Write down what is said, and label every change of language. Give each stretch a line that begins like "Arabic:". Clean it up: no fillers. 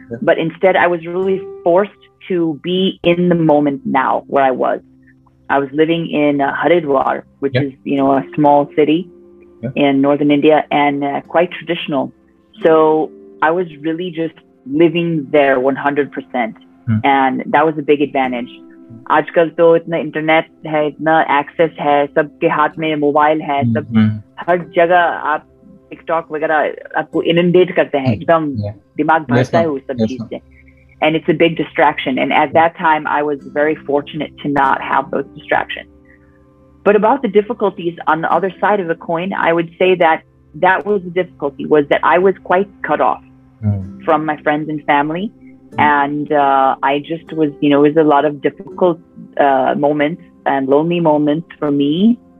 English: But instead, I was really forced to be in the moment now where I was. I was living in Haridwar, which is, you know, a small city in northern India and quite traditional. So I was really just living there 100%. And that was a big advantage.
Hindi: आजकल तो इतना internet है, इतना access है, सबके हाथ में mobile है, सब हर जगह आप टिकटॉक वगैरा आपको inundate करते हैं, एकदम दिमाग भरता है उस सब चीज़ से.
English: And it's a big distraction. And at that time, I was very fortunate to not have those distractions. But about the difficulties on the other side of the coin, I would say that that was the difficulty, was that I was quite cut off from my friends and family. And I just was, you know, it was a lot of difficult moments and lonely moments for me.